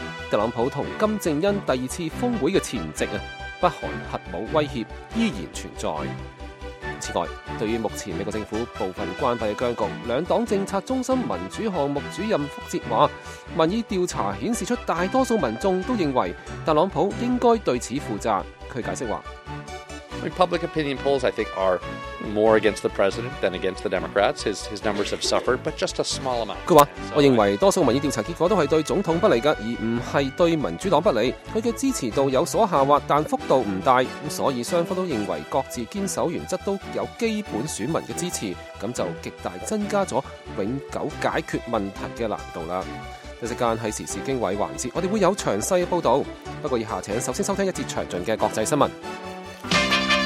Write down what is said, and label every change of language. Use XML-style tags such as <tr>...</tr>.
<yue>特朗普同金正恩第二次峰会的前夕，北韩核武威胁依然存在。此外，对于目前美国政府部分关闭的僵局，两党政策中心民主项目主任福哲话，民意调查显示出大多数民众都认为特朗普应该对此负责。他解释话</yue> <en>：Public opinion polls, I think, are more against the president than against the Democrats. His numbers have suffered, but just a small amount.</en> <yue>佢话：我认为多数民意调查结果都系对总统不利噶，而唔系对民主党不利。佢嘅支持度有所下滑，但幅度唔大，所以双方都认为各自坚守原则都有基本选民嘅支持，咁就极大增加咗永久解决问题嘅难度啦。一息间喺时事经纬环节，我哋会有详细嘅报道。不过以下请首先收听一节详尽嘅国际新闻。</yue>